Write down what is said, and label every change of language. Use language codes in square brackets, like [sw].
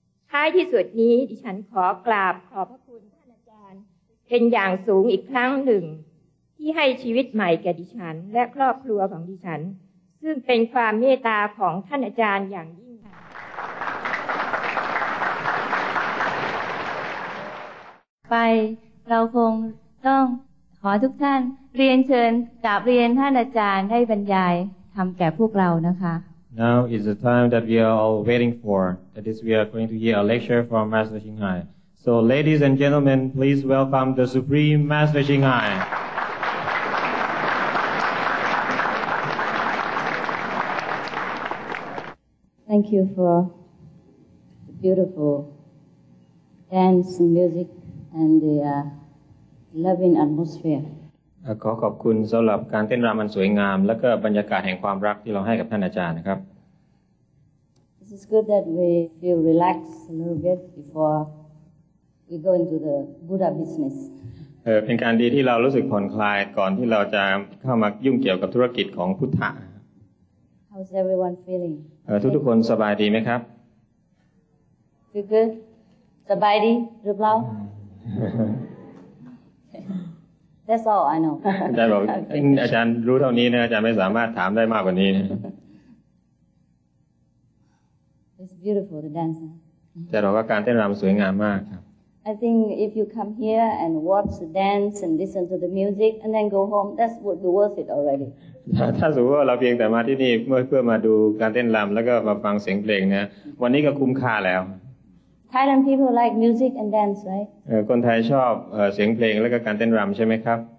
[th] ท้ายที่สุดนี้ดิฉันขอกราบขอบพระคุณท่านอาจารย์เป็นอย่างสูงอีกครั้งหนึ่งที่ให้ชีวิตใหม่แก่ดิฉันและครอบครัวของดิฉันซึ่งเป็นความเมตตาของท่านอาจารย์อย่างยิ่งค่ะ ไปเราคงต้องขอทุกท่านเรียนเชิญกราบเรียนท่านอาจารย์ให้บรรยายทำแก่พวกเรานะคะ [en] Now is the time that we are all waiting for. That is, we are going to hear a lecture from Master Qinghai. So, ladies and gentlemen, please welcome the Supreme Master Qinghai. Thank you for the beautiful dance and music and the loving atmosphere. [th] ขอขอบคุณสำหรับการเต้นรำอันสวยงามและก็บรรยากาศแห่งความรักที่เราให้กับท่านอาจารย์นะครับ [en] This is good that we feel relaxed a little bit before we go into the Buddha business [th] เป็นการดีที่เรารู้สึกผ่อนคลายก่อนที่เราจะเข้ามายุ่งเกี่ยวกับธุรกิจของพุทธะ [en] How's everyone feeling [th] ทุกคนสบายดีไหมครับ [en] Feel good [th] สบายดีหรือเปล่า [en] That's all I know. [th] อาจารย์บอกอาจารย์รู้เท่านี้นะอาจารย์ไม่สามารถถามได้มากกว่านี้ [en] It's beautiful the dance. [th] แต่เราก็การเต้นรำสวยงามมากครับ [en] I think if you come here and watch the dance and listen to the music and then go home, that would be worth it already. [th] ถ้าสมมติว่าเราเพียงแต่มาที่นี่เพื่อมาดูการเต้นรำแล้วก็มาฟังเสียงเพลงนะวันนี้ก็คุ้มค่าแล้ว [en] Thailand people like music and dance, right? [th] คนไทยชอบเสียงเพลงและก็การเต้นรำใช่ไหมครับ